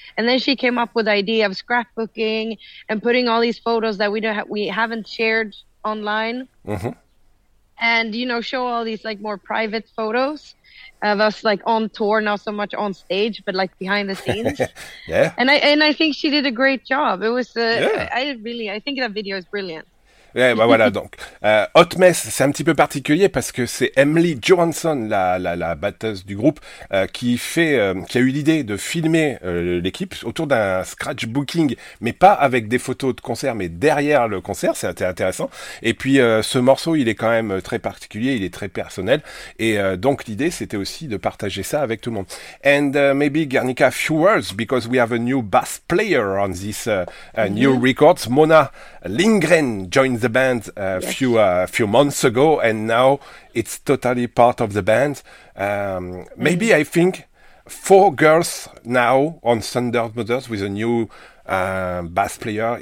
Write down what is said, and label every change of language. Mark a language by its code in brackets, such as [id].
[en] And then she came up with the idea of scrapbooking and putting all these photos that we haven't shared online. And, show all these like more private photos of us like on tour, not so much on stage, but like behind the scenes. And I think she did a great job. It was, I think that video is brilliant. [fr] Ouais, bah voilà, donc Hot Mess, c'est un petit peu particulier parce que c'est Emily Johansson, la batteuse du groupe, qui a eu l'idée de filmer l'équipe autour d'un scratchbooking, mais pas avec des photos de concert, mais derrière le concert, c'était intéressant. Et puis ce morceau, il est quand même très particulier, il est très personnel, et donc l'idée, c'était aussi de partager ça avec tout le monde. [en] And maybe Guernica, a few words because we have a new bass player on this new records. Mona Lindgren joined the band. Few months ago, and now it's totally part of the band. Maybe I think four girls now on Thunder Mothers with a new bass player.